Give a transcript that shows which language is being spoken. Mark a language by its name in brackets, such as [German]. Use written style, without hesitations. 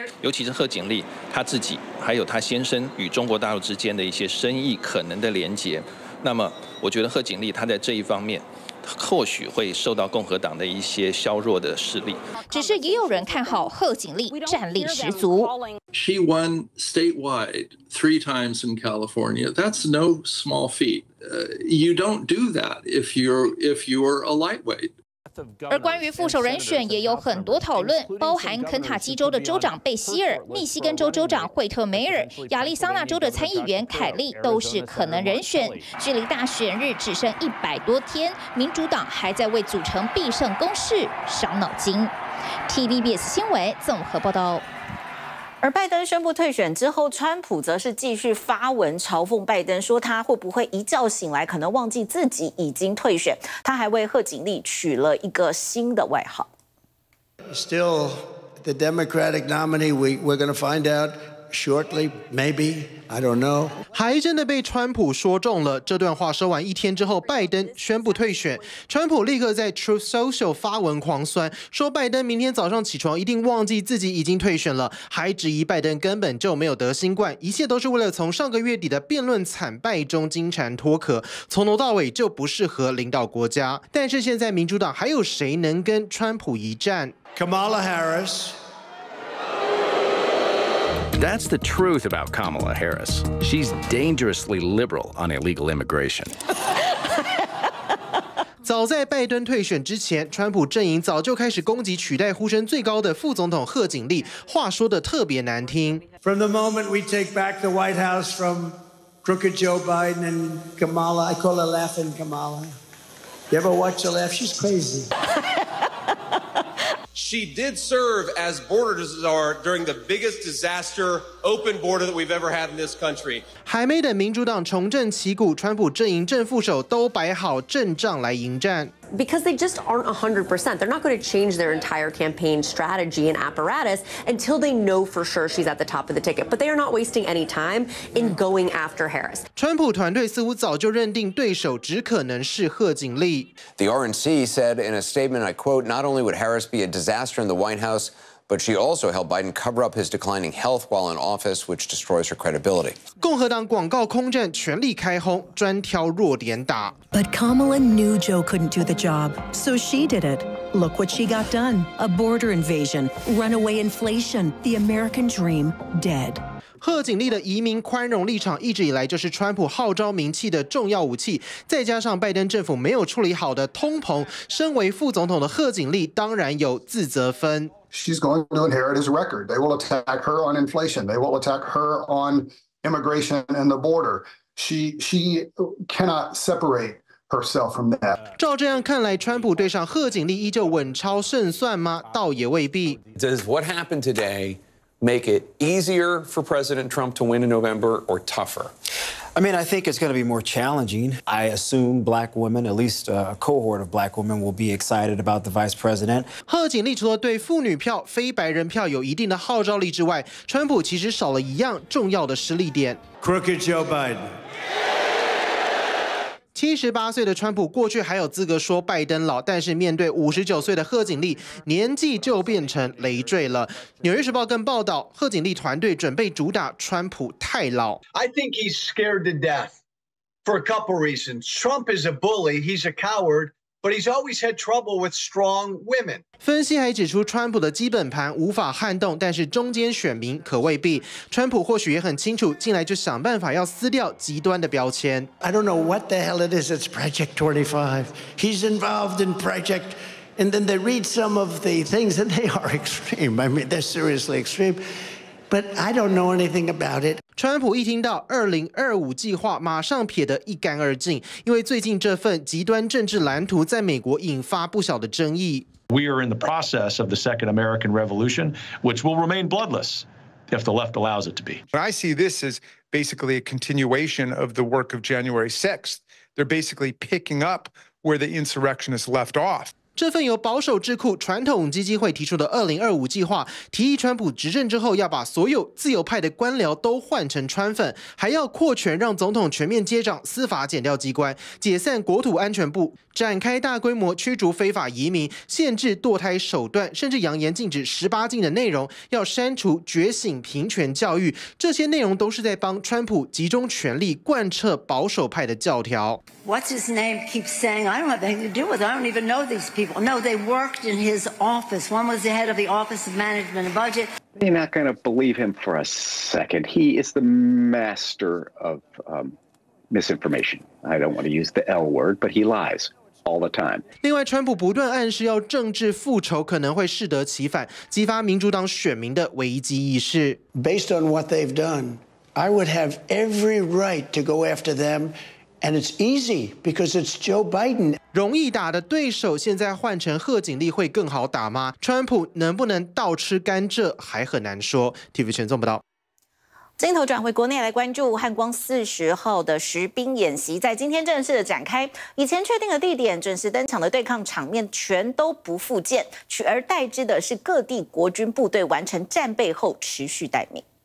[Chinese] 尤其是贺锦丽她自己，还有她先生与中国大陆之间的一些生意可能的连结，那么我觉得贺锦丽她在这一方面或许会受到共和党的一些削弱的势力。只是也有人看好贺锦丽战力十足。 [English] She won statewide three times in California. That's no small feat. You don't do that if you're a lightweight. [Chinese] 而关于副手人选也有很多讨论，包含肯塔基州的州长贝希尔、密西根州州长惠特梅尔、亚利桑那州的参议员凯利都是可能人选。距离大选日只剩100多天，民主党还在为组成必胜攻势伤脑筋。 TVBS 新闻综合报道。而拜登宣布退选之后，川普则是继续发文嘲讽拜登，说他会不会一觉醒来可能忘记自己已经退选。他还为贺锦丽取了一个新的外号。 [English] Still, the Democratic nominee, we're going to find out shortly, maybe. I don't know. [Chinese] 还真的被川普说中了。这段话说完一天之后，拜登宣布退选，川普立刻在 Truth Social 发文狂酸，说拜登明天早上起床一定忘记自己已经退选了，还质疑拜登根本就没有得新冠，一切都是为了从上个月底的辩论惨败中金蝉脱壳，从头到尾就不适合领导国家。但是现在民主党还有谁能跟川普一战？ [English] Kamala Harris. That's the truth about Kamala Harris. She's dangerously liberal on illegal immigration. [Chinese] 早在拜登退选之前，川普阵营早就开始攻击取代呼声最高的副总统贺锦丽，话说得特别难听。 [English] From the moment we take back the White House from crooked Joe Biden and Kamala, I call her laughing Kamala. You ever watch her laugh? She's crazy. She did serve as border czar during the biggest disaster open border that we've ever had in this country. [Chinese] 还没等民主党重振旗鼓，川普阵营正副手都摆好阵仗来迎战。 [English] Because they just aren't 100%. They're not going to change their entire campaign strategy and apparatus until they know for sure she's at the top of the ticket. But they are not wasting any time in going after Harris. [Chinese] 川普团队似乎早就认定对手只可能是贺锦丽。 [English] The RNC said in a statement, I quote, not only would Harris be a disaster in the White House,But she also helped Biden cover up his declining health while in office, which destroys her credibility. [Chinese] 共和党广告空战全力开轰，专挑弱点打。 [English] But Kamala knew Joe couldn't do the job, so she did it. Look what she got done. A border invasion, runaway inflation, the American dream dead. [Chinese] 贺锦丽的移民宽容立场一直以来就是川普号召名气的重要武器，再加上拜登政府没有处理好的通膨，身为副总统的贺锦丽当然有自责分。 [English] She's going to inherit his record. They will attack her on inflation. They will attack her on immigration and the border. She cannot separate herself from that. [Chinese] 照这样看来，川普对上贺锦丽依旧稳操胜算吗？倒也未必。 [English] Does what happened today? Make it easier for President Trump to win in November or tougher? I mean, I think it's going to be more challenging. I assume black women, at least a cohort of black women, will be excited about the vice president. [Chinese] 贺锦丽除了对妇女票、非白人票有一定的号召力之外，川普其实少了一样重要的实力点。 [English] Crooked Joe Biden. [Chinese] 78岁的川普过去还有资格说拜登老，但是面对59岁的贺锦丽，年纪就变成累赘了。纽约时报更报道，贺锦丽团队准备主打川普太老。 [English] I think he's scared to death for a couple reasons. Trump is a bully. He's a coward. But he's always had trouble with strong women. [Chinese] 分析还指出，川普的基本盘无法撼动，但是中间选民可未必。川普或许也很清楚，进来就想办法要撕掉极端的标签。 [English] I don't know what the hell it is. It's Project 25. He's involved in Project, and then they read some of the things, and they are extreme. I mean, they're seriously extreme. But I don't know anything about it. [Chinese] 川普一听到2025计划，马上撇得一干二净，因为最近这份极端政治蓝图在美国引发不小的争议。 [English] We are in the process of the second American Revolution, which will remain bloodless. if the left allows it to be. But I see this as basically a continuation of the work of January 6th. They're basically picking up where the insurrectionists left off. [Chinese] 这份由保守智库传统基金会提出的2025计划，提议川普执政之后要把所有自由派的官僚都换成川粉，还要扩权让总统全面接掌司法检调机关，解散国土安全部，展开大规模驱逐非法移民，限制堕胎手段，甚至扬言禁止十八禁的内容，要删除觉醒平权教育，这些内容都是在帮川普集中权力贯彻保守派的教条。 [English] What's his name keeps saying? I don't have anything to do with it. I don't even know these people. No, they worked in his office. One was the head of the Office of Management and Budget. You're not going to believe him for a second. He is the master of misinformation. I don't want to use the L word, but he lies all the time. [Chinese] 另外，川普不断暗示要政治复仇可能会适得其反，激发民主党选民的危机意识。 [English] Based on what they've done, I would have every right to go after them. And it's easy because it's Joe Biden. [Chinese] 容易打的对手现在换成贺锦丽会更好打吗？川普能不能倒吃甘蔗还很难说。 TV 全综报道。镜头转回国内来关注汉光40号的实兵演习，在今天正式的展开。以前确定的地点、准时登场的对抗场面全都不复见，取而代之的是各地国军部队完成战备后持续待命。